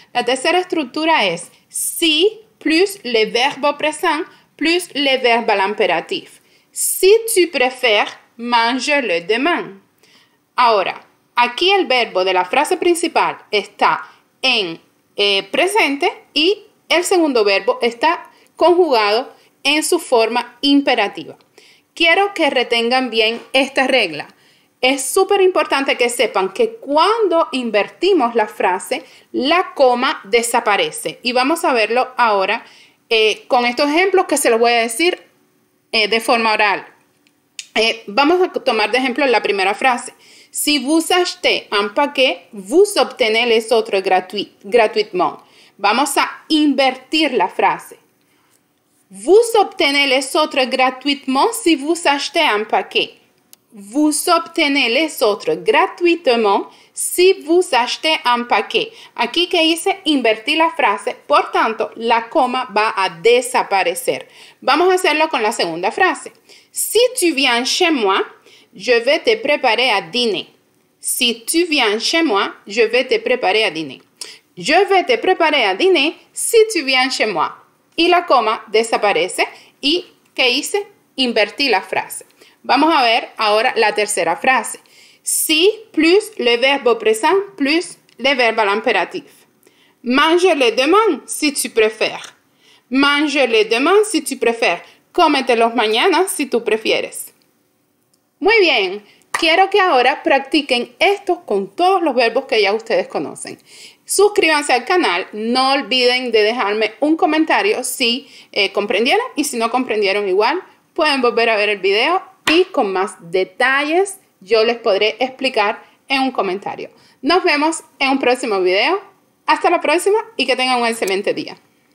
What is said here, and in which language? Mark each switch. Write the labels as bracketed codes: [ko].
[es] La tercera estructura es [fr] si plus le verbo présent plus le verbo à l'impératif. Si tu préfères, mange-le demain. [es] Ahora, aquí el verbo de la frase principal está en presente y el segundo verbo está conjugado en su forma imperativa. Quiero que retengan bien esta regla. Es súper importante que sepan que cuando invertimos la frase, la coma desaparece. Y vamos a verlo ahora con estos ejemplos que se los voy a decir de forma oral. Vamos a tomar de ejemplo la primera frase. [fr] Si vous achetez un paquet, vous obtenez les autres gratuitement. [es] Vamos a invertir la frase. [fr] Vous obtenez les autres gratuitement si vous achetez un paquet. Vous obtenez les autres gratuitement si vous achetez un paquet. [es] Aquí que hice invertir la frase, por tanto, la coma va a desaparecer. Vamos a hacerlo con la segunda frase. [fr] Si tu viens chez moi, je vais te préparer à dîner. Si tu viens chez moi, je vais te préparer à dîner. Je vais te préparer à dîner si tu viens chez moi. [es] Y la coma desaparece. ¿Y qué hice? Invertí la frase. Vamos a ver ahora la tercera frase. [fr] Si plus le [es] verbo [fr] présent plus le verbo à l'impératif. Mange-le demain si tu préfères. Mange-le demain si tu préfères. [es] Cómetelo mañana si tú prefieres. Muy bien, quiero que ahora practiquen esto con todos los verbos que ya ustedes conocen. Suscríbanse al canal, no olviden de dejarme un comentario si comprendieron y si no comprendieron igual, pueden volver a ver el video y con más detalles yo les podré explicar en un comentario. Nos vemos en un próximo video. Hasta la próxima y que tengan un excelente día.